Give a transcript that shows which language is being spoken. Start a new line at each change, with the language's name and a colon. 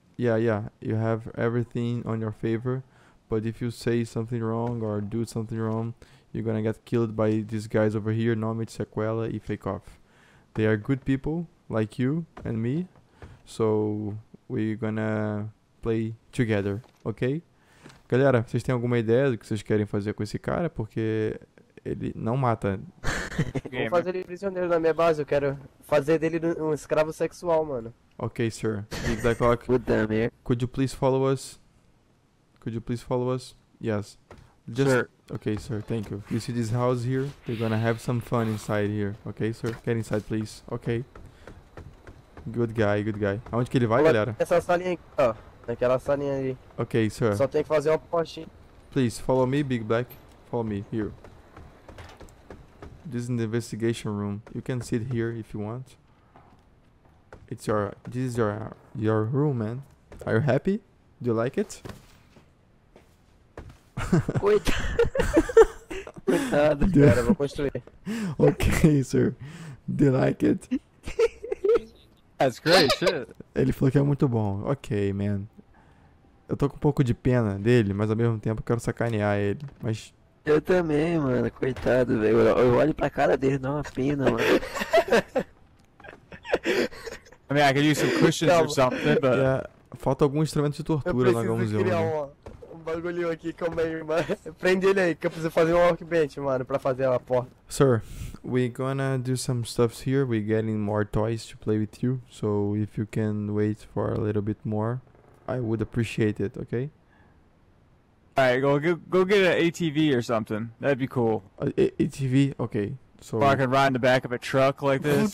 English: Yeah. You have everything on your favor. But if you say something wrong or do something wrong, you're gonna get killed by these guys over here, Nomit, Sequela, and Fake Off. They are good people, like you and me. So, we're gonna play together, ok?
Portuguese: Galera, vocês têm alguma ideia do que vocês querem fazer com esse cara? Porque ele não mata. Vou fazer ele prisioneiro na minha base, eu quero fazer dele um escravo sexual, mano.
English: Ok, sir. Big Black Lock, could you please follow us? Could you please follow us? Yes. Just sure. Okay, sir. Thank you. You see this house here? We're gonna have some fun inside here. Okay, sir? Get inside, please. Okay. Good guy, good guy.
Portuguese: Aonde que ele vai, galera? Nessa salinha aqui, ó. Naquela salinha ali.
English: Ok, sir.
Portuguese: Só tem que fazer uma portinha.
English: Please, follow me, Big Black. Follow me, here. This is the investigation room. You can sit here if you want. It's your... This is your room, man. Are you happy? Do you like it?
Portuguese: Coitado. Coitado, cara. Vou construir.
English: Ok, sir. Do you like it? That's great, shit.
Portuguese: Ele falou que é muito bom. Ok, man. Eu tô com um pouco de pena dele, mas ao mesmo tempo eu quero sacanear ele. Mas... Eu também, mano. Coitado, velho. Eu olho pra cara dele, dá uma pena, mano.
English: I mean, I could use some cushions or something, but...
Portuguese: Yeah, falta algum instrumento de tortura na Gomes. Eu preciso criar um bagulho aqui, calma aí, mano. Prende ele aí, que eu preciso fazer um workbench, mano, pra fazer a porta.
English: Sir, we're gonna do some stuff here. We're getting more toys to play with you. So, if you can wait for a little bit more, I would appreciate it, okay? Alright, go get an ATV or something. That'd be cool. ATV? Okay. So I can ride in the back of a truck like this.